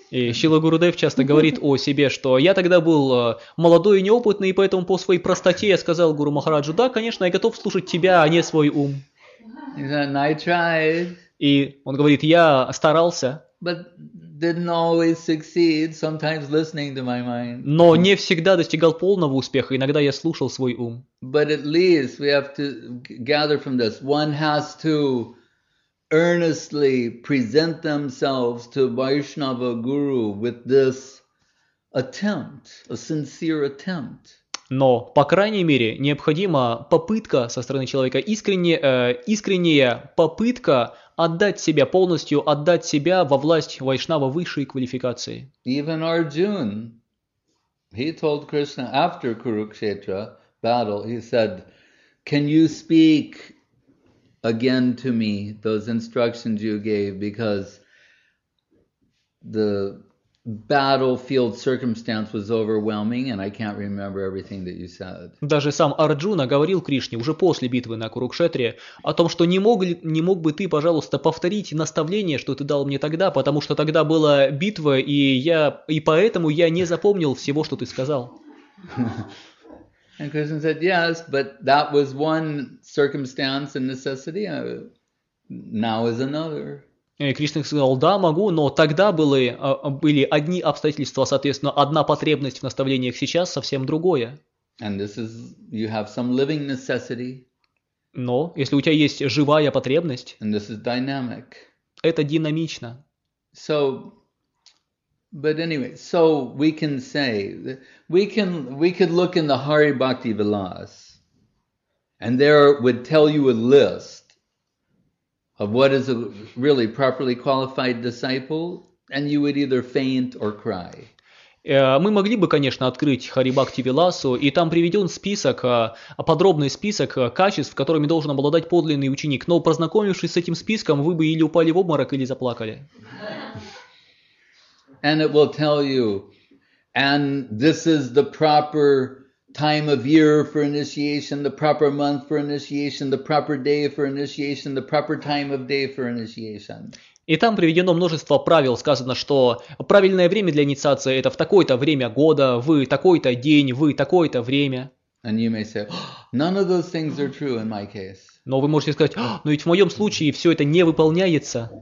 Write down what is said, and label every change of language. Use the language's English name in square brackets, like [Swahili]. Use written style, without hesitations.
[Russian] И Шрила Гурудев часто говорит о себе, что я тогда был молодой и неопытный, и поэтому по своей простоте я сказал Гуру Махараджу, да, конечно, я готов слушать тебя, а не свой ум. [English] I tried. [Russian] И он говорит, я старался. [English] But didn't always succeed, sometimes listening to my mind. [Russian] Но не всегда достигал полного успеха, иногда я слушал свой ум. [English] But at least we have to gather from this. One has to earnestly present themselves to Vaishnava Guru with this attempt, a sincere attempt. [Russian] Но, по крайней мере, необходима попытка со стороны человека, искренняя попытка отдать себя полностью, отдать себя во власть Вайшнава высшей квалификации. [English] Even Arjuna, he told Krishna after Kurukshetra battle, he said, can you speak again to me those instructions you gave, because the battlefield circumstance was overwhelming, and I can't remember everything that you said. [Russian] Даже сам Арджуна говорил Кришне уже после битвы на Курукшетре о том, что не мог бы ты, пожалуйста, повторить наставление, что ты дал мне тогда, потому что тогда была битва, и поэтому я не запомнил всего, что ты сказал. [English] And Krishna said, "Yes, but that was one circumstance and necessity. Now is another." [Russian] И Кришна сказал, да, могу, но тогда были одни обстоятельства, соответственно, одна потребность в наставлениях сейчас совсем другое. [English] And this is, you have some living necessity. [Russian] Но если у тебя есть живая потребность, [English] and this is dynamic. [Russian] Это динамично. [English] So, but anyway, so we can say, we could look in the Hari Bhakti Vilas, and there would tell you a list of what is a really properly qualified disciple, and you would either faint or cry. [Russian] Мы могли бы, конечно, открыть Хари Бхакти Виласу, и там приведен список, подробный список качеств, которыми должен обладать подлинный ученик. Но познакомившись с этим списком, вы бы или упали в обморок, или заплакали. [English] And it will tell you, and this is the proper time of year for initiation, the proper month for initiation, the proper day for initiation, the proper time of day for initiation. [Russian] И там приведено множество правил, сказано, что правильное время для инициации это в такое-то время года, в такой-то день, в такое-то время. [English] And you may say, none of those things are true in my case. [Russian] Но вы можете сказать, но ведь в моем случае все это не выполняется.